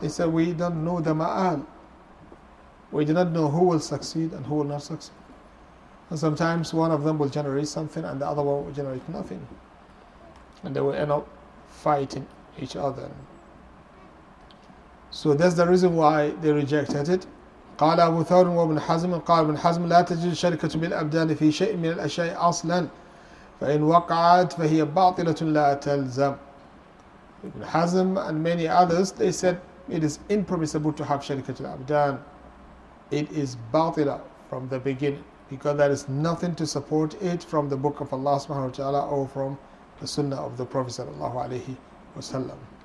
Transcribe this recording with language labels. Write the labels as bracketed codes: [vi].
[en] They said we don't know the ma'al. We do not know who will succeed and who will not succeed. And sometimes one of them will generate something and the other one will generate nothing. And they will end up fighting each other. So that's the reason why they rejected it. [ar] قال أبو ثور وابن حزم قال ابن حزم لا تجد شركة بالأبدان في شيء من الأشياء أصلا فإن وقعت فهي باطلة لا تلزم. [en] Ibn Hazm and many others, they said it is impermissible to have شركة الأبدان. It is باطلة from the beginning, because there is nothing to support it from the book of Allah subhanahu wa ta'ala or from the sunnah of the Prophet sallallahu alayhi wa sallam.